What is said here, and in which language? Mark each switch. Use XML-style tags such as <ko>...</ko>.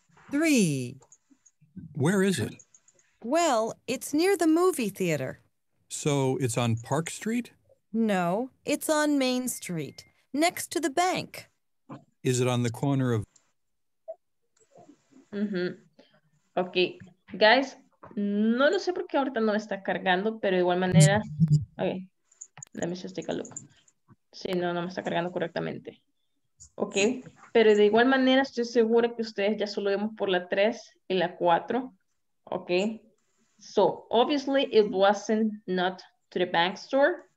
<en>Three. Where is it? Well, it's near the movie theater. So it's on Park Street? No, it's on Main Street, next to the bank. Is it on the corner of... Mm-hmm. Okay, guys,</en> <es>no lo sé por qué ahorita no me está cargando, pero de igual manera...</es> <en>Okay, let me just take a look.</en> <es>Sí, no, no me está cargando correctamente.</es> <en>Okay.</en> <es>Pero de igual manera estoy segura que ustedes ya solo vemos por la 3 y la 4.</es> <en>Okay. So, obviously it wasn't not to the bank store.</en>